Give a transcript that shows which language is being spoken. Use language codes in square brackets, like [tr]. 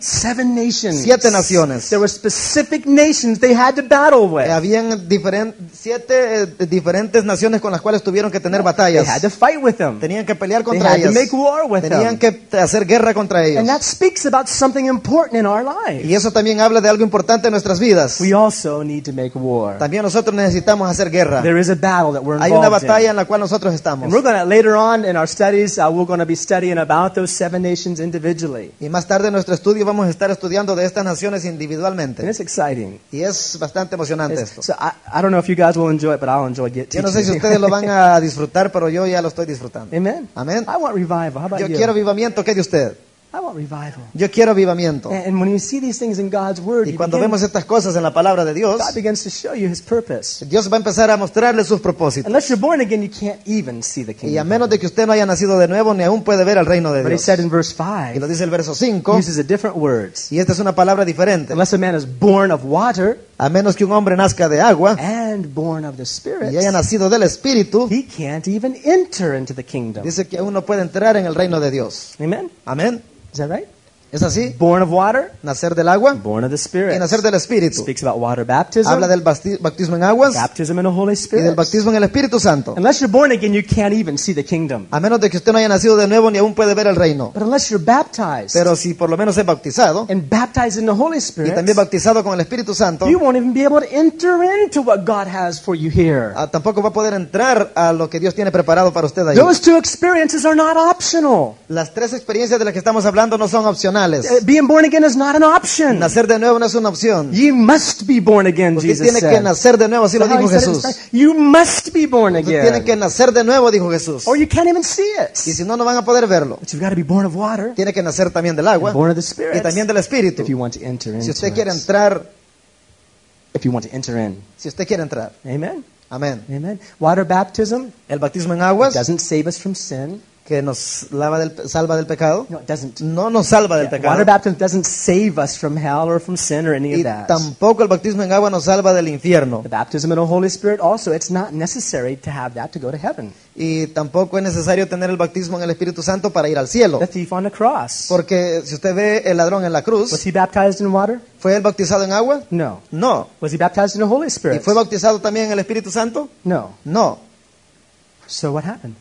[en] Seven nations. [es] Siete naciones. [en] There were specific nations they had to battle with. [es] Habían siete diferentes naciones con las cuales tuvieron que tener batallas. [en] They had to fight with them. [es] Tenían que pelear contra ellas. [en] They had to make war with them. [es] Tenían que hacer guerra contra ellos. [en] And that speaks about something important in our lives. [es] Y eso también habla de algo importante en nuestras vidas. [en] We also need to make war. [es] También nosotros necesitamos hacer guerra. [en] There is a battle that we're involved in. [es] Hay una batalla en la cual nosotros estamos. [en] And we're going to, later on in our studies, we're going to be studying about those seven nations individually. [es] Y más tarde en nuestro estudio vamos a estar estudiando de estas naciones individualmente. [en] And it's exciting. [es] Y es bastante emocionante esto. [en] So I don't know if you guys will enjoy it, but I'll enjoy it. [es] Yo no sé si ustedes lo van a disfrutar, pero yo ya lo estoy disfrutando. [en] Amen. [es] Amen. [en] I want revival. How about [es] yo [en] you? [es] Yo quiero avivamiento. ¿Qué de usted? [en] I want revival. [es] Yo quiero avivamiento. [en] And when you see these things in God's word, [es] y cuando vemos estas cosas en la palabra de Dios, [en] God begins to show you his purpose. [es] Dios va a empezar a mostrarle sus propósitos. [en] Unless you're born again, you can't even see the kingdom. [es] Y a menos de que usted no haya nacido de nuevo, ni aún puede ver el reino de Dios. [en] But he said in verse 5. [es] Y lo dice el verso 5. [en] Uses a different words. [es] Y esta es una palabra diferente. [en] Unless a man is born of water, [es] a menos que un hombre nazca de agua, [en] and born of the Spirit, [es] y haya nacido del Espíritu, [en] he can't even enter into the kingdom. [es] Dice que aún no puede entrar en el reino de Dios. [en] Amen. [es] Amen. [en] Is that right? [es] ¿Es así? [en] Born of water, [es] nacer del agua, [en] born of the Spirit, [es] y nacer del Espíritu. [en] Speaks about water baptism, [es] habla del bautismo en aguas, [en] baptism in the Holy Spirit, [es] y del bautismo en el Espíritu Santo. [en] Unless you're born again, you can't even see the kingdom. [es] A menos de que usted no haya nacido de nuevo, ni aún puede ver el reino. [en] But unless you're baptized, [es] pero si por lo menos es bautizado, [en] and baptized in the Holy Spirit, [es] y también bautizado con el Espíritu Santo, [en] you won't even be able to enter into what God has for you here. [es] Tampoco va a poder entrar a lo que Dios tiene preparado para usted ahí. [en] Those two experiences are not optional. [es] Las tres experiencias de las que estamos hablando no son opcionales. [en] Being born again is not an option. [es] Nacer de nuevo no es una opción. [en] You must be born again, [es] usted [en] Jesus [es] tiene [en] said. [es] Que nacer de nuevo, así lo dijo Jesús. [en] You must be born again. [es] Usted tiene que nacer de nuevo, dijo Jesús. [en] Or you can't even see it. [es] Y si no, no van a poder verlo. [en] But you've got to be born of water. [es] Tiene que nacer también del agua. [en] And born of the Spirit. [es] Y también del Espíritu. [en] If you want to enter in. [es] Si usted quiere entrar. [en] If you want to enter in. [es] Si usted quiere entrar. [en] Amen. [es] Amen. [en] Amen. Water baptism. [es] El bautismo en aguas. [en] Doesn't save us from sin. [es] que nos lava del, salva del pecado. [en] No, it doesn't. [es] No nos salva del pecado. [en] Water baptism doesn't save us from hell or from sin or any [es] y [en] of that. [es] Tampoco el bautismo en agua nos salva del infierno. [en] The baptism in the Holy Spirit also, it's not necessary to have that to go to heaven. [es] Y tampoco es necesario tener el bautismo en el Espíritu Santo para ir al cielo. [en] The thief on the cross. [es] Porque si usted ve el ladrón en la cruz. [en] Was he baptized in water? [es] ¿Fue él bautizado en agua? [en] No. [es] No. [en] Was he baptized in the Holy Spirit? [es] ¿Y fue bautizado también en el Espíritu Santo? [en] No. [es] No. [en] So what happened?